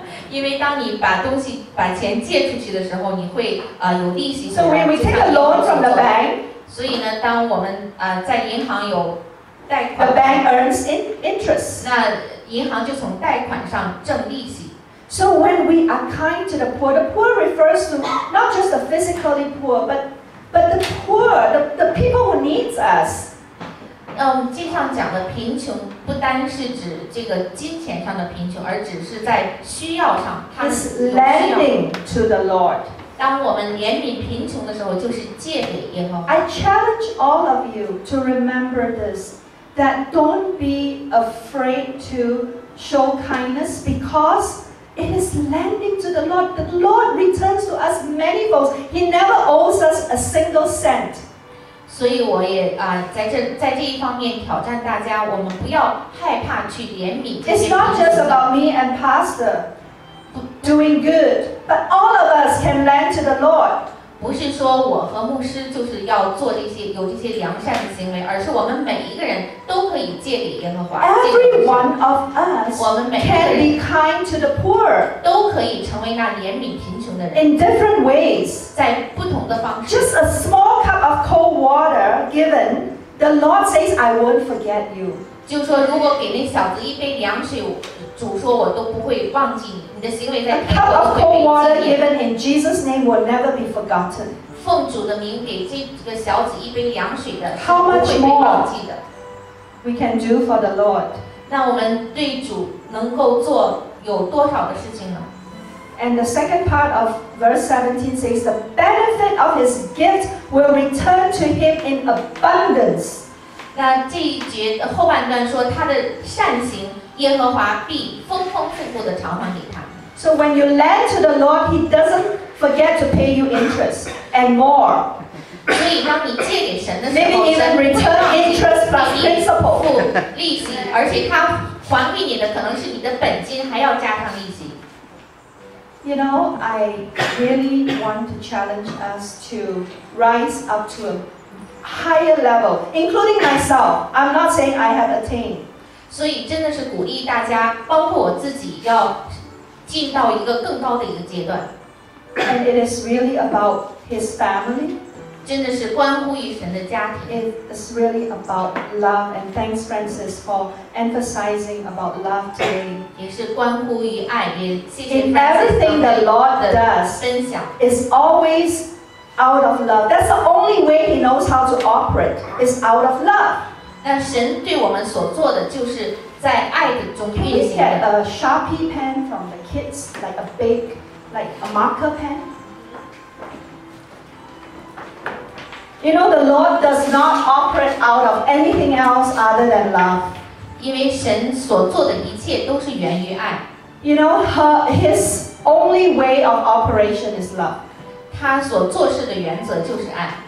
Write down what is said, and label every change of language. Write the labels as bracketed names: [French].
[Chinese] 因为当你把东西把钱借出去的时候，你会有利息。 [English] So when we take a loan from the bank, [Chinese] 所以呢，当我们在银行有贷款 [English] ，the bank earns interest. [Chinese] 那银行就从贷款上挣利息。 [English] So when we are kind to the poor refers to not just the physically poor, but the poor, the people who needs us. [Chinese] 经常讲的贫穷不单是指这个金钱上的贫穷，而只是在需要上。 [English] It's lending to the Lord. [Chinese] 当我们怜悯贫穷的时候，就是借给耶和华。 [English] I challenge all of you to remember this, that don't be afraid to show kindness because it is lending to the Lord. The Lord returns to us manifold. He never owes us a single cent. [Chinese] 所以我也在这一方面挑战大家，我们不要害怕去怜悯这些。 [English] It's not just about me and pastor doing good, but all of us can lend to the Lord. [Chinese] 不是说我和牧师就是要做这些有这些良善的行为，而是我们每一个人都可以借给耶和华。 [English] Everyone of us can be kind to the poor， [Chinese] 都可以成为那怜悯贫穷的人。 [English] In different ways， [Chinese] 在不同的方式。 [English] Just a small cup of cold water given， the Lord says I won't forget you。 [Chinese] 就说如果给那小子一杯凉水，主说我都不会忘记你。 [English] A cup of cold water given in Jesus' name will never be forgotten. [Chinese] 奉主的名给这个小子一杯凉水的，不会被忘记的。 [English] We can do for the Lord. [Chinese] 那我们对主能够做有多少的事情呢？ [English] And the second part of verse 17 says, the benefit of his gift will return to him in abundance. [Chinese] 那这一节的后半段说，他的善行耶和华必丰丰富富的偿还给他。 [English] So when you lend to the Lord, He doesn't forget to pay you interest and more. [Chinese] 所以当你借给神的时候， [English] Maybe even return interest plus principal. [Chinese] 付利息，而且他还给你的可能是你的本金，还要加上利息。 [English] You know, I really want to challenge us to rise up to a higher level, including myself. I'm not saying I have attained. [Chinese] 所以真的是鼓励大家，包括我自己，要进到一个更高的一个阶段。 [English] And it is really about his family. [Chinese] 真的是关乎于神的家庭。 [English] It is really about love. And thanks, Francis, for emphasizing about love today. [Chinese] 也是关乎于爱，也谢谢 Francis 刚才的分享。 [English] In everything the Lord does, is always out of love. That's the only way he knows how to operate. Is out of love. [Chinese] 那神对我们所做的就是在爱的中运行的。 [English] Can we get a sharpie pen from the kids, like a big, like a marker pen? You know, the Lord does not operate out of anything else other than love. [Chinese] 因为神所做的一切都是源于爱。 [English] You know, His only way of operation is love. [Chinese] 他所做事的原则就是爱。